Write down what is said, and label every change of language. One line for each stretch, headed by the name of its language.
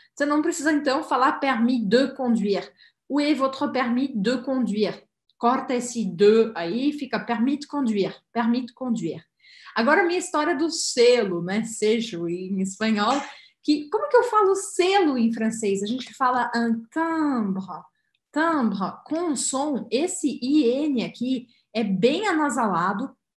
Portuguese: Você não precisa, então, falar permis de conduire.
French: Où est votre permis de conduire?
Portuguese: Corta esse de aí, fica permis de conduire. Permis de conduire. Agora, minha história do selo, né? Sejo em espanhol. Como que eu falo selo em francês? A gente fala un timbre. Timbre, com som, esse IN aqui é bem anasalado.